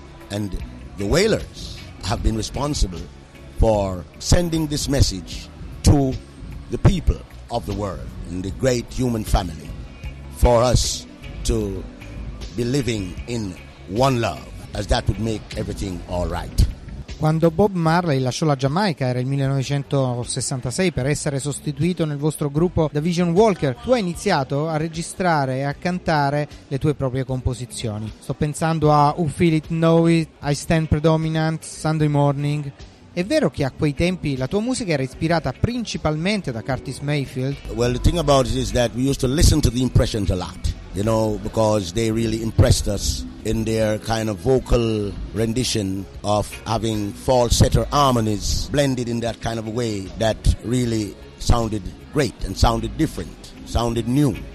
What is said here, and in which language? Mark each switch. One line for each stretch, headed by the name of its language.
English: And the Wailers have been responsible for sending this message to the people of the world and the great human family, for us to be living in one love, as that would make everything all right.
Italian: Quando Bob Marley lasciò la Giamaica, era il 1966, per essere sostituito nel vostro gruppo da Vision Walker, tu hai iniziato a registrare e a cantare le tue proprie composizioni. Sto pensando a Who Feel It, Know It, I Stand Predominant, Sunday Morning. È vero che a quei tempi la tua musica era ispirata principalmente da Curtis Mayfield?
English: Well, the thing about it is that we used to listen to the Impressions a lot, you know, because they really impressed us in their kind of vocal rendition of having falsetto harmonies blended in that kind of a way that really sounded great and sounded different, sounded new.